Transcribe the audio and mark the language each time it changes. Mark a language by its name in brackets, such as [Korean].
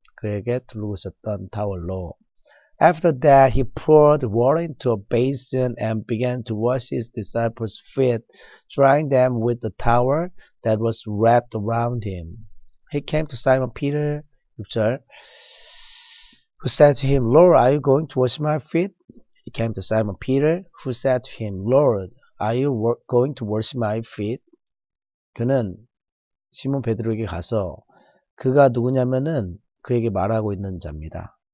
[Korean] 그에게 두르고 있었던 타월로. [English] After that, he poured water into a basin and began to wash his disciples' feet, drying them with the towel that was wrapped around him. He came to Simon Peter, 6절, who said to him, Lord, are you going to wash my feet? He came to Simon Peter, who said to him, Lord, are you going to wash my feet? [Korean] 그는 시몬 베드로에게 가서 그가 누구냐면은 그에게 말하고 있는 자입니다.